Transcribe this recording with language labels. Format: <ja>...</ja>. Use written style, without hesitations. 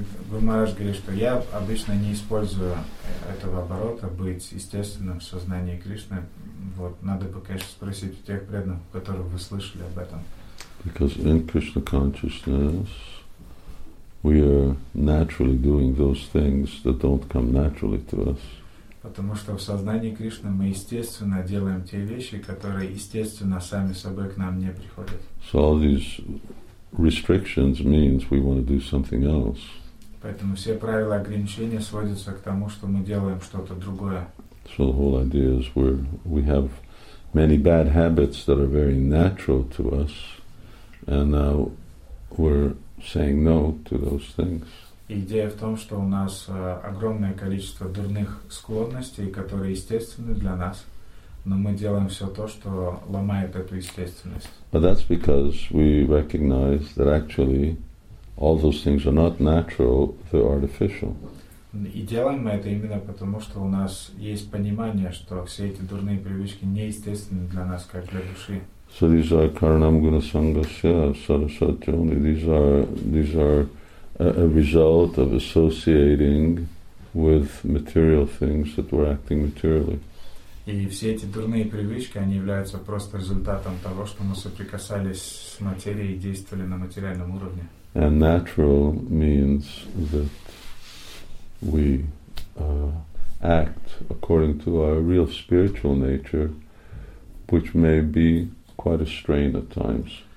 <ru>Вы можете говорить, что я обычно не использую этого оборота быть естественным в сознании Кришны. Вот надо бы, конечно, спросить у тех преданных, у которых вы слышали об этом.</ru> <en>Because in Krishna consciousness, we are naturally doing those things that don't come naturally to us.</en> <ru>Потому что в сознании Кришны мы естественно делаем те вещи, которые естественно сами собой к нам не приходят.</ru> <en>So all these restrictions means we want to do something else.</en> <ru>Поэтому все правила ограничения сводятся к тому, что мы делаем что-то другое.</ru> <en>So the whole idea is we have many bad habits that are very natural to us, and now we're saying no to those things.</en> <ru>Идея в том, что у нас огромное количество дурных склонностей, которые естественны для нас, но мы делаем все то, что ломает эту естественность.</ru> <en>But that's because we recognize that actually all those things are not natural, they're artificial.</en> <ru>И делаем мы это именно потому, что у нас есть понимание, что все эти дурные привычки неестественны для нас, как для души.</ru> <en>So these are</en> <sa>karanam guna sangasya sarasati</sa> <en>only. These are a result of associating with material things that we're acting materially.</en> <ru>И все эти дурные привычки, они являются просто результатом того, что мы соприкасались с материей и действовали на материальном уровне.</ru> <en>And natural means that we act according to our real spiritual nature, which may be quite a strain at times.</en>